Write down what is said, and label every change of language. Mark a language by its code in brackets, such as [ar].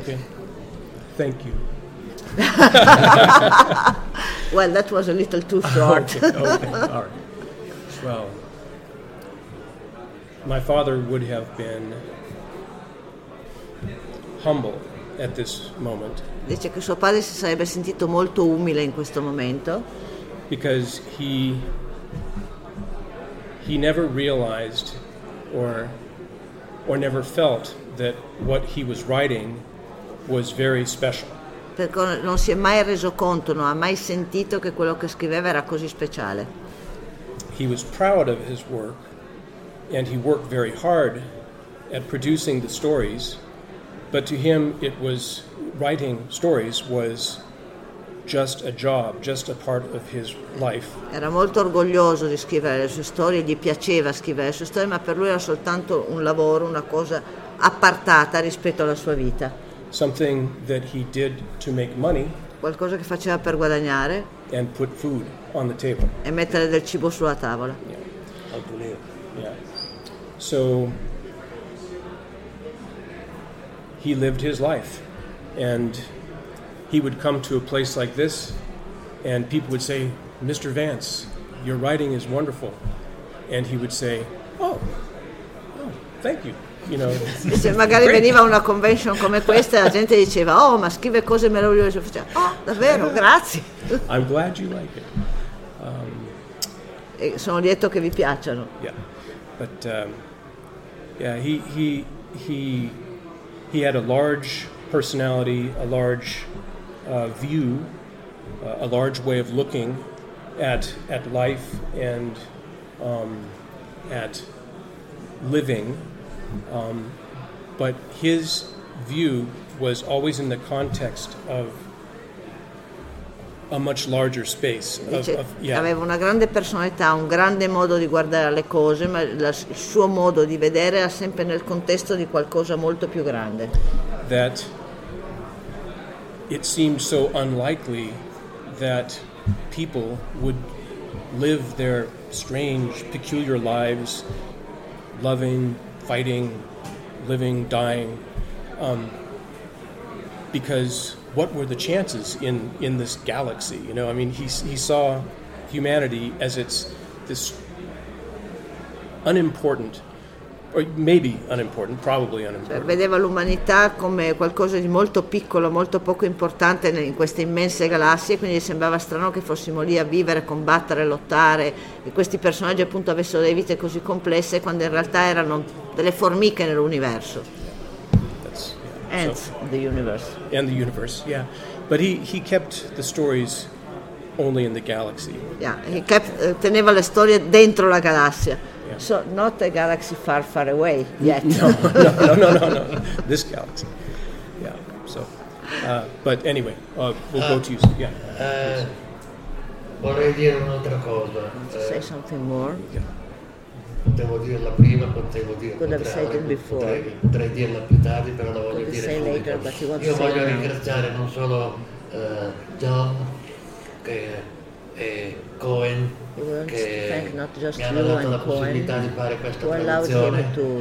[en] Okay. Thank you. Well, that was a little too short. Okay. All right. Well, my father would have been humble at this moment. [it] Dice che suo padre si sarebbe sentito molto umile in questo momento. [en] Because he never realized or never felt that what he was writing was very special. [it] Perché non si è mai reso conto, non ha mai sentito che quello che scriveva era così speciale. [en] He was proud of his work and he worked very hard at producing the stories, but to him it was writing stories was just a job, just a part of his life. [it] Era molto orgoglioso di scrivere le sue storie, gli piaceva scrivere le sue storie, ma per lui era soltanto un lavoro, una cosa appartata rispetto alla sua vita. [en] Something that he did to make money. [it] Qualcosa che faceva per guadagnare. [en] And put food on the table. [it] E mettere del cibo sulla tavola. [en] Yeah. So he lived his life, and he would come to a place like this, and people would say, "Mr. Vance, your writing is wonderful," and he would say, "Oh, thank you." You know, [it] se magari veniva una convention come questa, la gente diceva, "Oh, ma scrive cose meravigliose." Oh, davvero? Grazie. [en] I'm glad you like it. [it] E sono lieto che vi piacciono. [en] Yeah, but he had a large personality, a large view, a large way of looking at life and at living. But his view was always in the context of a much larger space. [it] Aveva una grande personalità, un grande modo di guardare le cose, ma il suo modo di vedere era sempre nel contesto di qualcosa molto più grande. [en] That it seemed so unlikely that people would live their strange, peculiar lives, loving, fighting, living, dying, because what were the chances in this galaxy? You know, I mean, he saw humanity as it's this unimportant, or maybe unimportant, probably unimportant. [it] Cioè, vedeva l'umanità come qualcosa di molto piccolo, molto poco importante in queste immense galassie, quindi sembrava strano che fossimo lì a vivere, combattere, lottare, e questi personaggi appunto avessero delle vite così complesse quando in realtà erano delle formiche nell'universo. [en] And the universe, yeah. But he kept the stories only in the galaxy. [it] Teneva le storie dentro la galassia. [en] Yeah. So not a galaxy far, far away yet. No. This galaxy. Yeah. So, but anyway, we'll go to you. Yeah. [it] Vorrei dire un'altra cosa. [en] Say something more. [it] Potevo dirla prima, potevo dirla potrei dirla più tardi, però la voglio dire subito. Io voglio ringraziare non solo John che e Cohen che mi hanno dato la possibilità di fare questa traduzione,